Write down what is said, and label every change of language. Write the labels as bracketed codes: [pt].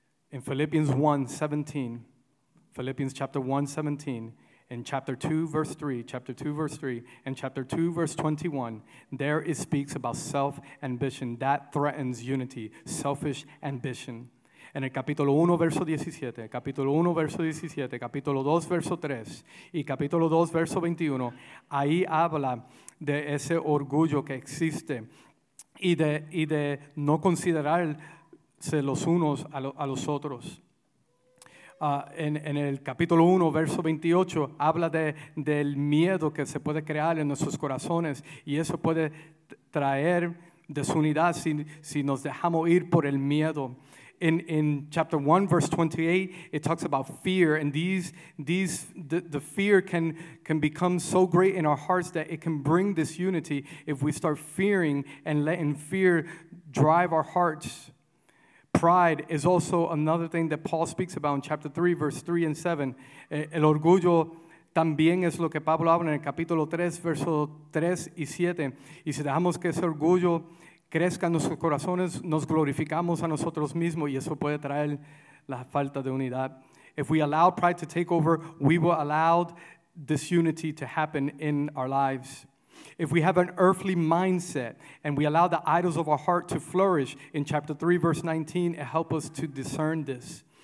[en] In Philippians 1:17, Philippians chapter 1:17, in chapter 2, verse 3, chapter 2, verse 3, and chapter 2, verse 21, there it speaks about self-ambition. That threatens unity, selfish ambition. [es] En el capítulo 1, verso 17, capítulo 1, verso 17, capítulo 2, verso 3, y capítulo 2, verso 21, ahí habla de ese orgullo que existe y de no considerarse los unos a los otros. En el capítulo 1, verso 28, habla del miedo que se puede crear en nuestros corazones, y eso puede traer desunidad si nos dejamos ir por el miedo. [en] In chapter 1, verse 28, it talks about fear, and the fear can become so great in our hearts that it can bring disunity if we start fearing and letting fear drive our hearts. Pride is also another thing that Paul speaks about in chapter 3, verse 3 and 7. [es] El orgullo también es lo que Pablo habla en el capítulo 3, verso 3 y 7. Y si dejamos que ese orgullo crezca en nuestros corazones, nos glorificamos a nosotros mismos y eso puede traer la falta de unidad. [en] If we allow pride to take over, we will allow disunity to happen in our lives. If we have an earthly mindset and we allow the idols of our heart to flourish, in chapter 3, verse 19, it helps us to discern this.